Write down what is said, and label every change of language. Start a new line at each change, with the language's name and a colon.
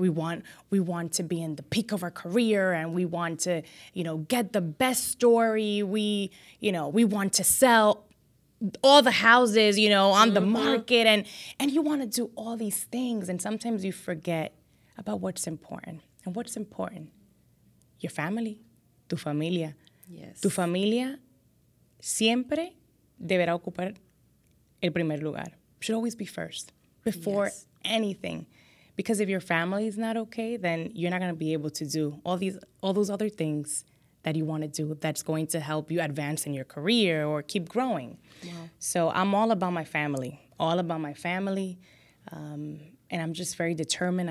English: We want to be in the peak of our career, and we want to, you know, get the best story. We want to sell all the houses, you know, on the market, and you want to do all these things. And sometimes you forget about what's important. And what's important? Your family,
Spanish: tu familia.
English: Yes.
Spanish: Tu familia siempre deberá ocupar el primer lugar.
English: Should always be first before anything. Because if your family is not okay, then you're not going to be able to do all those other things that you want to do that's going to help you advance in your career or keep growing. Yeah. So I'm all about my family. And I'm just very determined.